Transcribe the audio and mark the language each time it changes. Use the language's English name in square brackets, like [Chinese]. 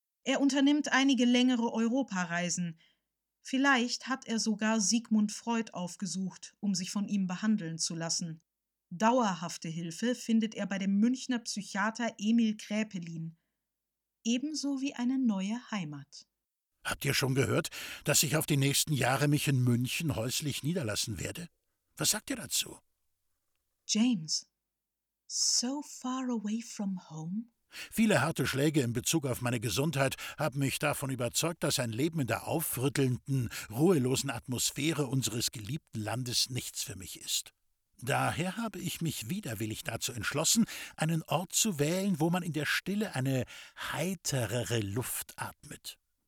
[German] Er unternimmt einige längere Europareisen. Vielleicht hat er sogar Sigmund Freud aufgesucht, um sich von ihm behandeln zu lassen. Dauerhafte Hilfe findet er bei dem Münchner Psychiater Emil Kräpelin, ebenso wie eine neue Heimat. Habt ihr schon gehört, dass ich auf die nächsten Jahre mich in München häuslich niederlassen werde? Was sagt ihr dazu? [English] James, so far away from home? [German] Viele harte Schläge in Bezug auf meine Gesundheit haben mich davon überzeugt, dass ein Leben in der aufrüttelnden, ruhelosen Atmosphäre unseres geliebten Landes nichts für mich ist. Daher habe ich mich widerwillig dazu entschlossen, einen Ort zu wählen, wo man in der Stille eine heiterere Luft atmet.